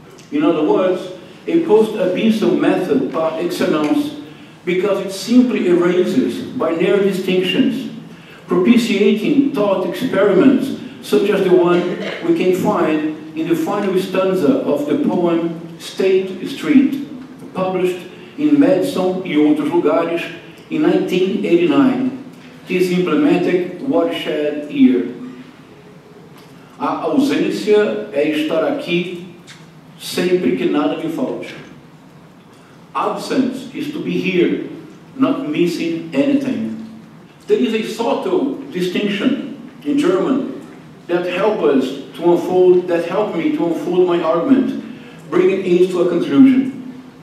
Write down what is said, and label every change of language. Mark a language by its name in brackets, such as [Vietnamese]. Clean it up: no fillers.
[English] In other words, a post-abyssal method par excellence, because it simply erases binary distinctions, propitiating thought experiments such as the one we can find in the final stanza of the poem State Street, published in Medson e Outros Lugares in 1989, this emblematic watershed year. [Portuguese] A ausência é estar aqui sempre que nada me falte. [English] Absence is to be here, not missing anything. There is a subtle distinction in German that helped me to unfold my argument, bringing it to a conclusion.